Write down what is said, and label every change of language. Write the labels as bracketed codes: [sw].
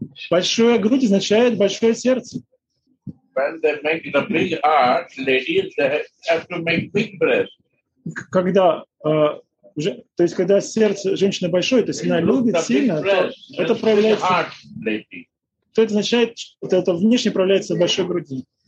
[ru] Большая грудь означает большое сердце. [en] When they make the big heart, ladies, they have to make big breast. [ru] Когда то есть, когда сердце женщины большое, то есть она любит сильно, это проявляется. То это означает, что это внешне проявляется в большой груди.